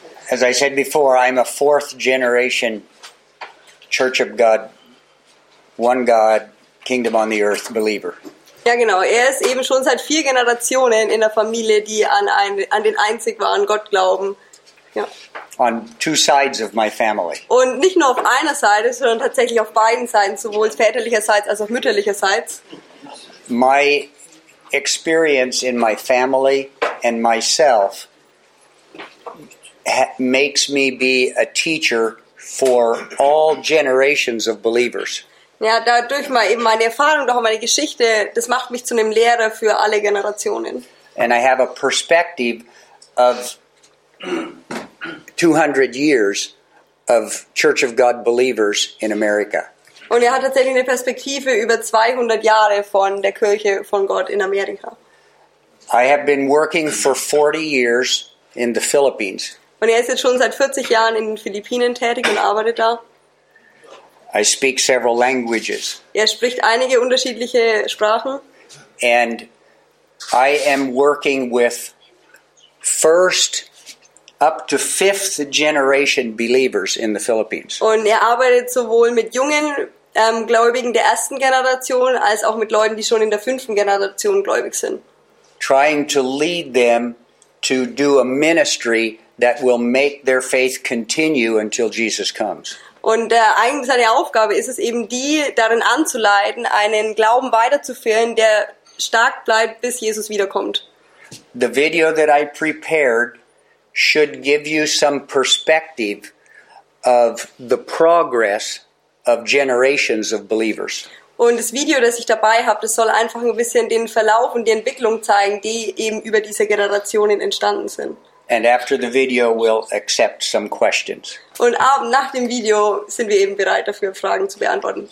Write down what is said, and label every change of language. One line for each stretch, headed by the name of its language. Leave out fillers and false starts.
English: As I said before, I'm a fourth generation Church of God, one God, kingdom on the earth believer.
German: Ja, genau. Er ist eben schon seit vier Generationen in der Familie, die an den einzig wahren Gott glauben. Ja.
English: On two sides of my family.
German: Und nicht nur auf einer Seite, sondern tatsächlich auf beiden Seiten, sowohl väterlicherseits als auch mütterlicherseits.
English: My experience in my family and myself makes me be a teacher for all generations of believers.
German: Ja, dadurch mal eben meine Erfahrung, doch auch meine Geschichte, das macht mich zu einem Lehrer für alle Generationen.
English: And I have a perspective of 200 years of Church of God believers in America.
German: Und er hat tatsächlich eine Perspektive über 200 Jahre von der Kirche von Gott in Amerika.
English: I have been working for 40 years in the Philippines.
German: Und er ist jetzt schon seit 40 Jahren in den Philippinen tätig und arbeitet da.
English: I speak several languages.
German: Er spricht einige unterschiedliche Sprachen.
English: And I am working with first up to fifth generation believers in the Philippines.
German: Und er arbeitet sowohl mit jungen Gläubigen der ersten Generation als auch mit Leuten, die schon in der fünften Generation gläubig sind.
English: Trying to lead them to do a ministry that will make their faith continue until Jesus comes.
German: Und eigentlich seine Aufgabe ist es eben, die darin anzuleiten, einen Glauben weiterzuführen, der stark bleibt, bis Jesus wiederkommt.
English: The video that I prepared should give you some perspective of the progress of generations of believers.
German: Und das Video, das ich dabei habe, das soll einfach ein bisschen den Verlauf und die Entwicklung zeigen, die eben über diese Generationen entstanden sind.
English: And after the video, we'll accept some questions.
German: Und ab nach dem Video sind wir eben bereit dafür, Fragen zu beantworten.